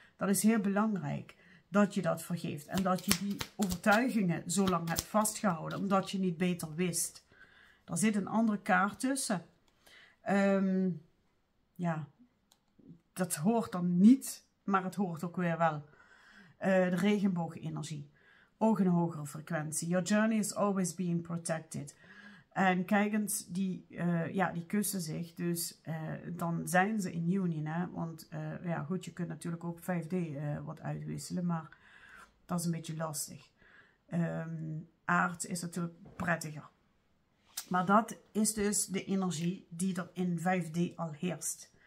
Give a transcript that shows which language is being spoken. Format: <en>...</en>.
<nl>Dat is heel belangrijk, dat je dat vergeeft. En dat je die overtuigingen zo lang hebt vastgehouden, omdat je niet beter wist. Er zit een andere kaart tussen. Ja, dat hoort dan niet, maar het hoort ook weer wel. De regenboogenergie, ook een hogere frequentie.</nl> <en>Your journey is always being protected.</en> <nl>En kijk eens, die kussen zich, dus dan zijn ze in union, hè. Want ja, goed, je kunt natuurlijk ook 5D wat uitwisselen, maar dat is een beetje lastig. Aard is natuurlijk prettiger. Maar dat is dus de energie die er in 5D al heerst.</nl>